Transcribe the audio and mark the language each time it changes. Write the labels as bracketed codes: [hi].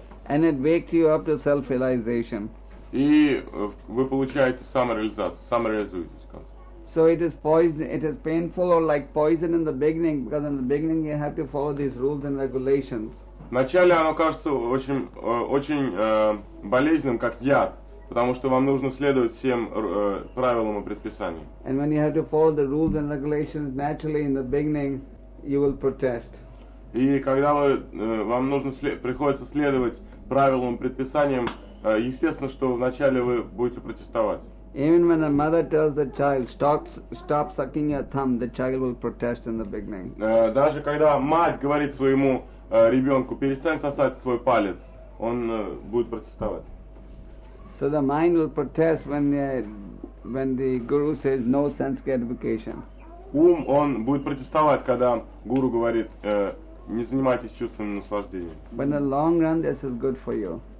[en] And it wakes you up to self-realization. [ru] И вы получаете самореализацию, самореализуетесь в конце. [en] So it is poison, it is painful or like poison in the beginning, because in the beginning you have to follow these rules and regulations. [ru] Вначале оно кажется очень болезненным, как яд. Потому что вам нужно следовать всем правилам и предписаниям. [en] And when you have to follow the rules and regulations naturally in the beginning, you will protest. [ru] И когда вам нужно приходится следовать правилам и предписаниям, естественно, что вначале вы будете протестовать. [en] Even when the mother tells the child, stop sucking your thumb, the child will protest in the beginning. [ru] Даже когда мать говорит своему ребенку, перестань сосать свой палец, он будет протестовать. [en] So the mind will protest when the guru says no sense gratification. [ru] Ум, он будет протестовать, когда гуру говорит, не занимайтесь чувственным наслаждением. [en] But in the long run, this is good for you.